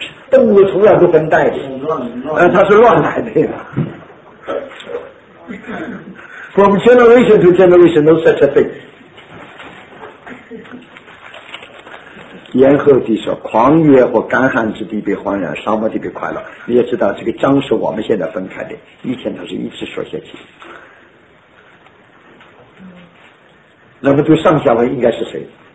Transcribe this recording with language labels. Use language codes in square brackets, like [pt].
[zh] 动物从来不分代的，它是乱来的。 [en] From generation to generation, no such a thing. [zh] 炎和地说，狂野或干旱之地被欢然，沙漠地被快乐。你也知道，这个章是我们现在分开的，以前它是一直说下去。那么读上下文应该是谁？